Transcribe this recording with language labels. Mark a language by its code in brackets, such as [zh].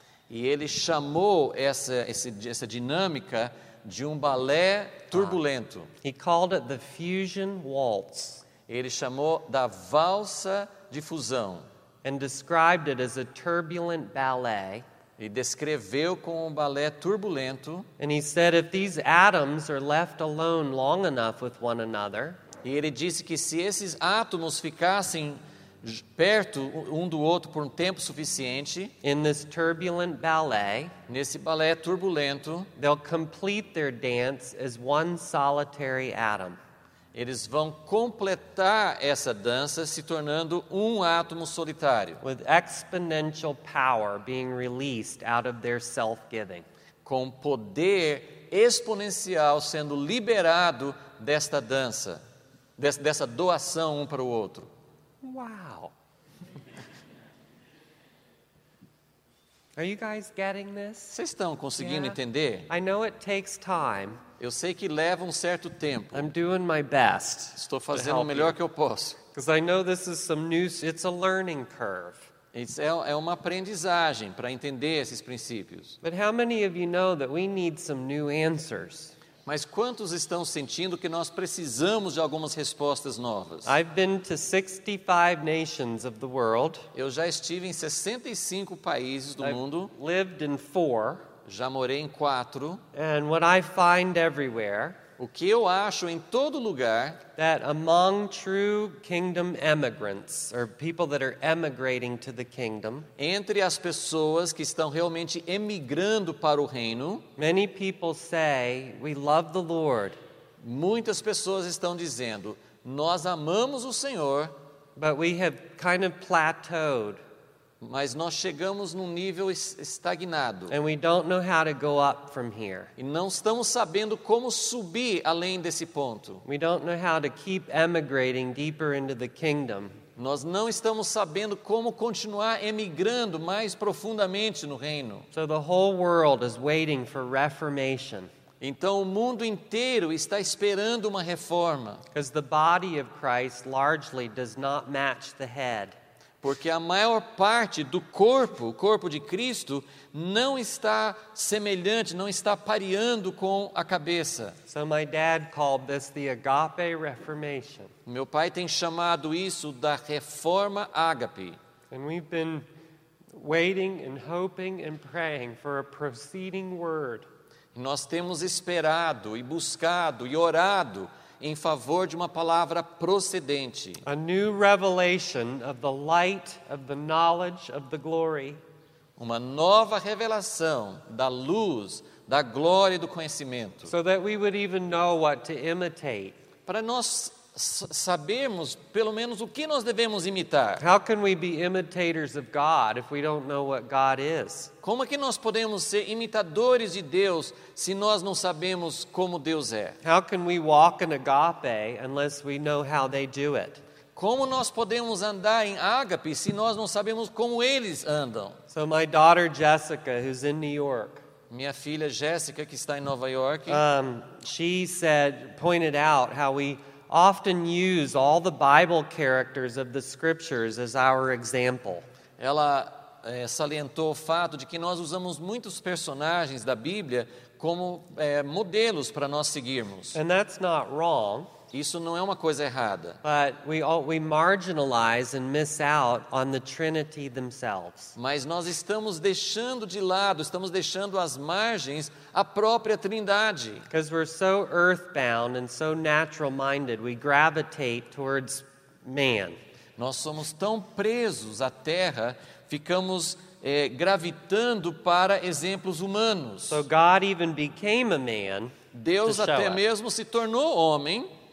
[pt] E ele chamou essa dinâmica de um balé turbulento. [en] He called it the fusion waltz. [pt] Ele chamou da valsa de fusão. [en] And described it as a turbulent ballet. [pt] E descreveu com um balé turbulento. [en] And he said if these atoms are left alone long enough with one another, [pt] e ele disse que se esses átomos ficassem perto um do outro por um tempo suficiente, [en] in this turbulent ballet, [pt] nesse balé turbulento, [en] they'll complete their dance as one solitary atom. [pt] Eles vão completar essa dança se tornando um átomo solitário. [en] With exponential power being released out of their self-giving. [pt] Com poder exponencial sendo liberado desta dança, dessa doação um para o outro. [en] Wow. Are you guys getting this? [pt] Vocês estão conseguindo entender? [en] I know it takes time. [pt] Eu sei que leva certo tempo. [en] I'm doing my best. [pt] Estou fazendo o melhor que eu posso. [en] Because I know this is some new, it's a learning curve. [pt] É uma aprendizagem para entender esses princípios. [en] But how many of you know that we need some new answers? [pt] Mas quantos estão sentindo que nós precisamos de algumas respostas novas? [en] I've been to 65 nations of the world. [pt] Eu já estive em 65 países do mundo. [en] I've lived in 4. [pt] Já morei em 4. [en] And what I find everywhere, [pt] o que eu acho em todo lugar, [en] that among true kingdom immigrants, or people that are emigrating to the kingdom, [pt] entre as pessoas que estão realmente emigrando para o reino, [en] many people say, we love the Lord. [pt] Muitas pessoas estão dizendo, nós amamos o Senhor, [en] but we have kind of plateaued. [pt] Mas nós chegamos num nível estagnado. [en] And we don't know how to go up from here. [pt] E não estamos sabendo como subir além desse ponto. [en] We don't know how to keep emigrating deeper into the kingdom. [pt] Nós não estamos sabendo como continuar emigrando mais profundamente no reino. [en] So the whole world is waiting for reformation. [pt] Então o mundo inteiro está esperando uma reforma. [en] Because the body of Christ largely does not match the head. [pt] Porque a maior parte do corpo, o corpo de Cristo, não está semelhante, não está pareando com a cabeça. [en] So my dad called this the agape reformation. [pt] Meu pai tem chamado isso da reforma ágape. [en] And we've been waiting and hoping and praying for a proceeding word. [pt] Nós temos esperado e buscado e orado em favor de uma palavra procedente. [en] A new revelation of the light of the knowledge of the glory. [pt] Uma nova revelação da luz, da glória e do conhecimento. [en] So that we would even know what to imitate. [pt] Para nós sabermos pelo menos o que nós devemos imitar. [en] How can we be imitators of God if we don't know what God is? [pt] Como é que nós podemos ser imitadores de Deus se nós não sabemos como Deus é? [en] How can we walk in agape unless we know how they do it? [pt] Como nós podemos andar em ágape se nós não sabemos como eles andam? [en] So my daughter Jessica, who's in New York. [pt] Minha filha Jessica, que está em Nova York. [en] She said, pointed out how we often use all the Bible characters of the scriptures as our example. [pt] Ela salientou o fato de que nós usamos muitos personagens da Bíblia como modelos para nós seguirmos. [en] And that's not wrong. [pt] Isso não é uma coisa errada. [en] But we marginalize and miss out on the Trinity themselves. [pt] Mas nós estamos deixando de lado, estamos deixando às margens a própria Trindade. [en] Because we're so earthbound and so natural-minded, we gravitate towards man. [pt] Nós somos tão presos à terra, ficamos gravitando para exemplos humanos. [en] So God even became a man. [pt] Deus até mesmo se tornou homem.